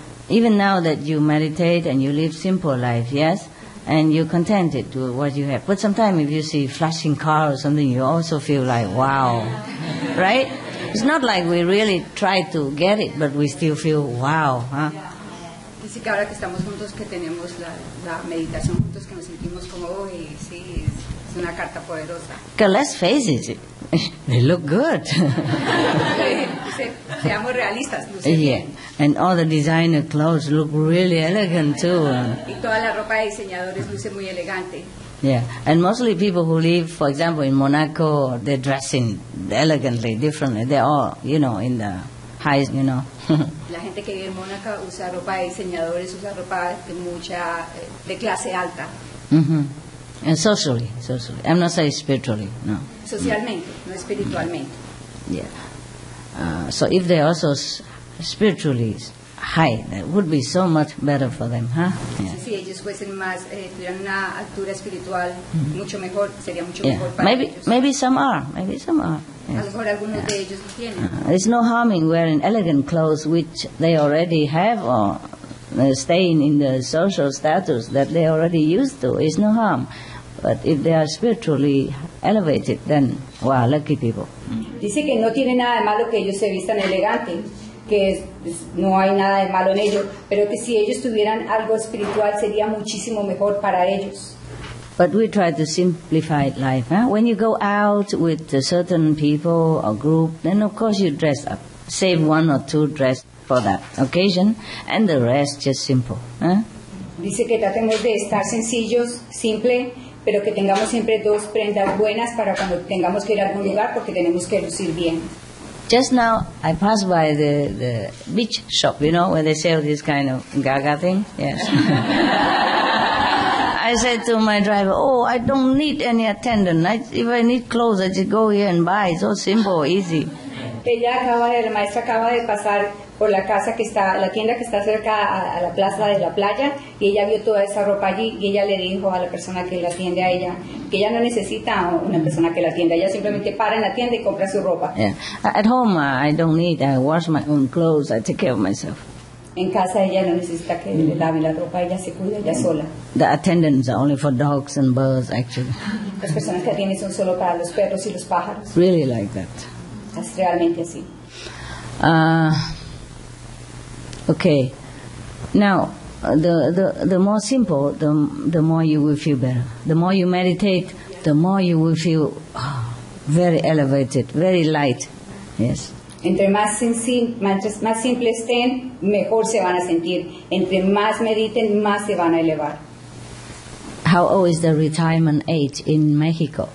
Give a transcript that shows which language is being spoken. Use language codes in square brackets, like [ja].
[en] Even now that you meditate and you live simple life, yes, and you're contented with what you have. But sometimes if you see flashing car or something, you also feel like, wow, right? It's not like we really try to get it, but we still feel, wow, huh? Yeah. [es] Dice que ahora que estamos juntos, que tenemos la meditación juntos, que nos sentimos como, oh, sí, es una carta poderosa. [en] Because let's face it. They look good. [es] Seamos realistas. [en] Yeah, and all the designer clothes look really elegant too. [es] Y toda la ropa de diseñadores luce muy elegante. [en] Yeah, and mostly people who live, for example, in Monaco, they're dressing elegantly, differently. They're all, you know, in the high, you know. [es] La gente que vive en Monaco usa ropa de diseñadores, usa ropa de mucha de clase alta. [en] And socially. I'm not saying spiritually, no. [es] Socialmente, no espiritualmente. [en] Yeah. So if they also spiritually high, that would be so much better for them, huh? Yeah. [es] Si ellos fuesen más, tuvieran una altura espiritual, mucho mejor, sería mucho mejor para ellos. [en] Maybe some are. Yeah. [es] A lo mejor algunos de ellos lo tienen. [en] There's no harm in wearing elegant clothes which they already have or... staying in the social status that they already used to is no harm, but if they are spiritually elevated than, wow, lucky people. [es] Dice que no tiene nada de malo que ellos se vistan elegante, que no hay nada de malo en ello, pero que si ellos tuvieran algo espiritual sería muchísimo mejor para ellos. [en] But we try to simplify life. Huh? When you go out with a certain people or group, then of course you dress up. Save one or two dress for that occasion, and the rest just simple. Huh? [es] Dice que tratemos de estar sencillos, simple, pero que tengamos siempre dos prendas buenas para cuando tengamos que ir a algún lugar porque tenemos que lucir bien. [en] Just now, I passed by the beach shop, you know, where they sell this kind of gaga thing. Yes. I said to my driver, oh, I don't need any attendant. If I need clothes, I just go here and buy. It's so simple, easy. [es] Ella acaba de, la maestra acaba de pasar por la casa que está, la tienda que está cerca a la plaza de la playa, y ella vio toda esa ropa allí, y ella le dijo a la persona que la atiende a ella, que ella no necesita una persona que la atienda, ella simplemente para en la tienda y compra su ropa. [en] Yeah. At home, I don't need, I wash my own clothes, I take care of myself. [es] En casa ella no necesita que le laven la ropa, ella se cuida ella sola. [en] The attendants are only for dogs and birds, actually. [es] Las personas que atienden son solo para los perros y los pájaros. [en] Really like that. [es] Es realmente así. [en] Okay. Now, the more simple, the more you will feel better. The more you meditate, the more you will feel very elevated, very light. Yes. [es] Entre más más simple estén, mejor se van a sentir. Entre más mediten, más se van a elevar. [en] How old is the retirement age in Mexico?